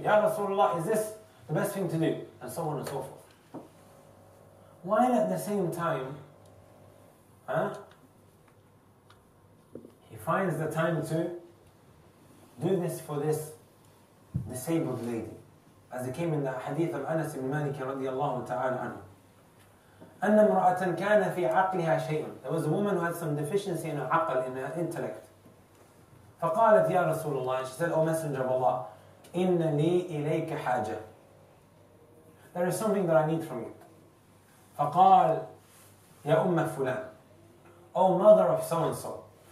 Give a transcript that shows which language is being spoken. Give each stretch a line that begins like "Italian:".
English: Ya Rasulullah, is this the best thing to do? And so on and so forth. While at the same time, he finds the time to do this for this disabled lady. As it came in the hadith of Anas ibn Malik radiallahu ta'ala anhu.
Arabic: أن امرأة كان في عقلها شيء.
English: There was a woman who had some deficiency in her عقل, in her intellect.
Arabic: فقالت يا رسول الله.
English: She said, O Messenger of Allah,
Arabic: إن لي إليك حاجة.
English: There is something that I need from you.
Arabic: فقال يا أم فلان.
English: O mother of so and so.